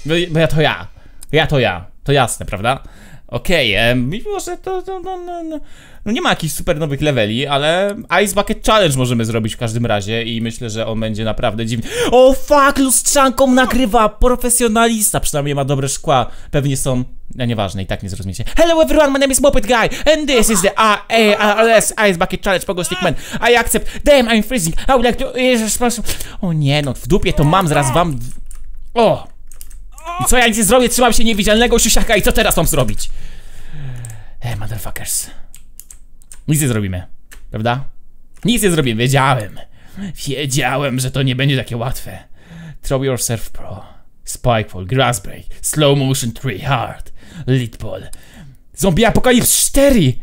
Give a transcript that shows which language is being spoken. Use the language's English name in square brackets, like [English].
[Polish] Bo ja to ja. Ja to ja. To jasne, prawda? Okej, mimo że to... No nie ma jakichś super nowych leveli, ale Ice Bucket Challenge możemy zrobić w każdym razie i myślę, że on będzie naprawdę dziwny. O fuck, lustrzanką nagrywa! Profesjonalista, przynajmniej ma dobre szkła. Pewnie są... No nieważne, i tak nie zrozumiecie. [English] Hello everyone, my name is Muppet Guy and this is the A-A-L-S Ice Bucket Challenge Pogo Stickman. I accept, damn, I'm freezing, I would like to... [Polish] O nie, no w dupie to mam, zaraz wam... O! I co ja nic nie zrobię, trzymam się niewidzialnego siusiaka i co teraz mam zrobić? [English] Motherfuckers. [Polish] Nic nie zrobimy, prawda? Nic nie zrobimy, wiedziałem. Wiedziałem, że to nie będzie takie łatwe. Throw Yourself Pro, Spikefall, Grass Break, Slow Motion 3, Hard, Leadball, Zombie Apocalypse 4!